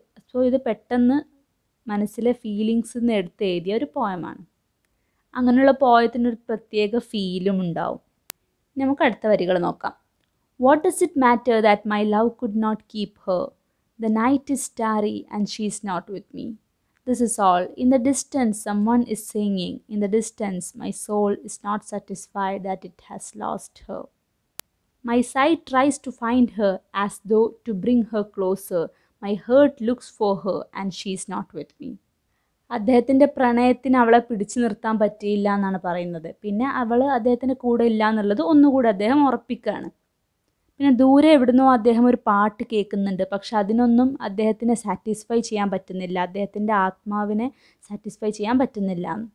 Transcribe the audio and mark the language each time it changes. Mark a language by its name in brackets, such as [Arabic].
[Malayalam] So ഇത് പെട്ടെന്ന് മനസ്സിലെ ഫീലിങ്സ് എന്ന് എടുത്ത് എഴുതിയ ഒരു പോയമാണ്. അങ്ങനെയുള്ള പോയത്തിനൊരു പ്രത്യേക ഫീലും ഉണ്ടാവും. നമുക്ക് അടുത്ത വരികൾ നോക്കാം. [English] What does it matter that my love could not keep her. The night is starry and she is not with me. This is all. In the distance, someone is singing. In the distance, my soul is not satisfied that it has lost her. My sight tries to find her as though to bring her closer. My heart looks for her and she is not with me. [Malayalam] അദ്ദേഹത്തിൻ്റെ പ്രണയത്തിന് അവളെ പിടിച്ചു നിർത്താൻ പറ്റിയില്ല എന്നാണ് പറയുന്നത്. പിന്നെ അവൾ അദ്ദേഹത്തിൻ്റെ കൂടെ ഇല്ല എന്നുള്ളത് ഒന്നുകൂടെ അദ്ദേഹം ഉറപ്പിക്കുകയാണ്. പിന്നെ ദൂരെ എവിടുന്നോ അദ്ദേഹം ഒരു പാട്ട് കേൾക്കുന്നുണ്ട്. പക്ഷെ അതിനൊന്നും അദ്ദേഹത്തിനെ സാറ്റിസ്ഫൈ ചെയ്യാൻ പറ്റുന്നില്ല, അദ്ദേഹത്തിൻ്റെ ആത്മാവിനെ സാറ്റിസ്ഫൈ ചെയ്യാൻ പറ്റുന്നില്ല.